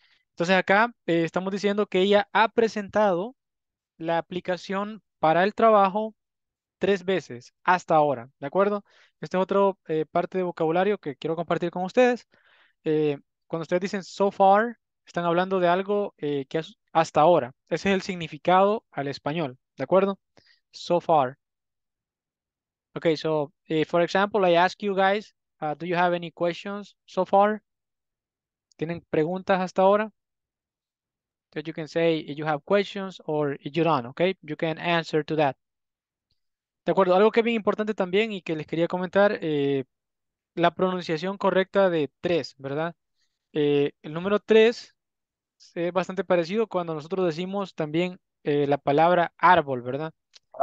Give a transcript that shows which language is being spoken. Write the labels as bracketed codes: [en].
[es] Entonces acá estamos diciendo que ella ha presentado la aplicación para el trabajo tres veces hasta ahora, ¿de acuerdo? Este es otro parte de vocabulario que quiero compartir con ustedes. Cuando ustedes dicen so far, están hablando de algo que es hasta ahora. Ese es el significado al español, ¿de acuerdo? [en] So far. Okay, so for example, I ask you guys, do you have any questions so far? [es] ¿Tienen preguntas hasta ahora? [en] That you can say if you have questions or if you don't, okay? You can answer to that. [es] De acuerdo, algo que es bien importante también y que les quería comentar. La pronunciación correcta de tres, ¿verdad? El número tres es bastante parecido cuando nosotros decimos también la palabra árbol, ¿verdad? Árbol,